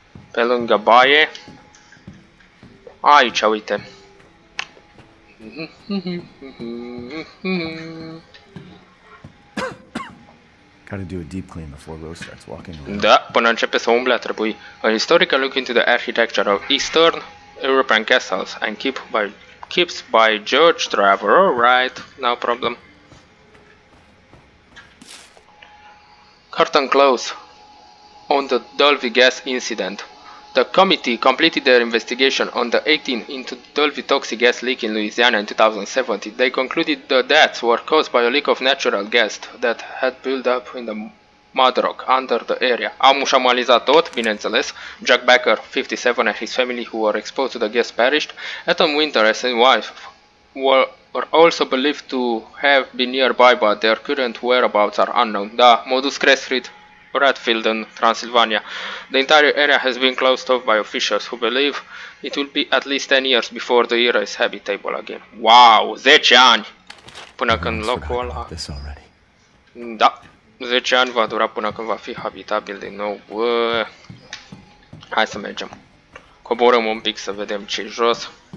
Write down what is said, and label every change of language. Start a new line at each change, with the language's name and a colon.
Romanian: Pe lângă baie. Aici, uite.
English: Gotta do a deep clean before Rose starts walking around.
Romanian: Da, până începe să umble, trebuie.
English: A historical look into the architecture of Eastern European castles and keeps by George Trevor. All right, no problem. Curtain close on the Dalvi gas incident. The committee completed their investigation on the 18th into Dolphy toxic gas leak in Louisiana in 2017. They concluded the deaths were caused by a leak of natural gas that had built up in the mud rock under the area.
Romanian: Amu și-a analizat tot, bineînțeles.
English: Jack Becker, 57, and his family who were exposed to the gas perished. Adam Winters and wife were also believed to have been nearby, but their current whereabouts are unknown. Da, Modus Crestrit, Redfield in Transylvania. The entire area has been closed off by officials who believe it will be at least 10 years before the era is habitable again.
Romanian: Wow, 10 ani! Până când locul ăla... Da, 10 ani va dura până când va fi habitabil din nou. Bă. Hai să mergem. Coborăm un pic să vedem ce-i jos.